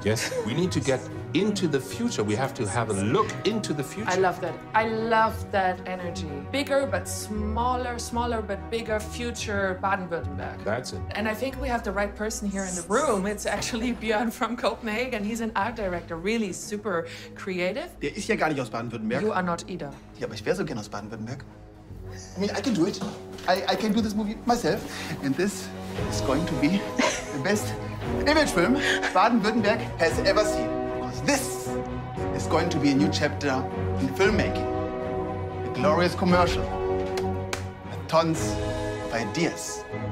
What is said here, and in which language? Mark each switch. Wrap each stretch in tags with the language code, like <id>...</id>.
<en>Yes, we need to get into the future. We have to have a look into the future. I love that. I love that energy. Bigger but smaller, smaller but bigger future Baden-Württemberg. That's it. And I think we have the right person here in the room. It's actually Björn from Copenhagen. He's an art director, really super creative.</en> <de>Der ist ja gar nicht aus Baden-Württemberg.</de> <en>You are not either.</en> <de>Ja, aber ich wäre so gern aus Baden-Württemberg.</de> <en>I mean, I can do it. I can do this movie myself. And this is going to be the best image film Baden-Württemberg has ever seen. Because this is going to be a new chapter in filmmaking. A glorious commercial with tons of ideas.</en>